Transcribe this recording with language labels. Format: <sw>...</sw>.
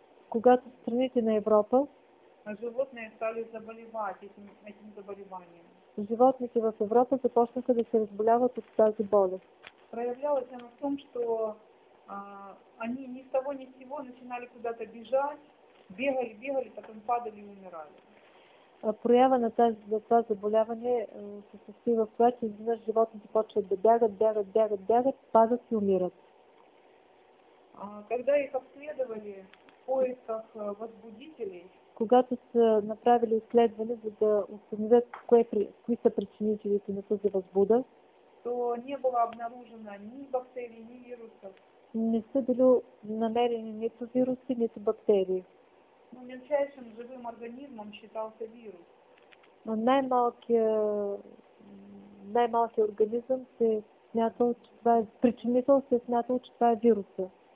<bg>Когато страните на Европа, животните</bg> <ru>стали заболевати этим заболеванием.</ru> <bg>Животните в Европа започнаха да се разболяват от тази болест.</bg> <ru>Проявлялось оно в том, что они ни с того ни с сего начинали куда-то бежать, бегали, потом падали и умирали.</ru> <bg>Проява на това заболяване се състои в това, че изведнъж животните почват да бягат, падат и умират.</bg> <ru>Когда их обследовали в поисках возбудителей,</ru> <bg>когато са направили изследване, за да установят кои са причинителите на тази възбуда,</bg> <ru>то не было обнаружено ни бактерии, ни вирусов.</ru> <bg>Не са били намерени нито вируси, нито бактерии.</bg> <ru>Но мельчайшим живым организмом считался вирус.</ru> <bg>Най-малкият организъм се смятал, че това е причинител, се смятал, че това е вируса.</bg>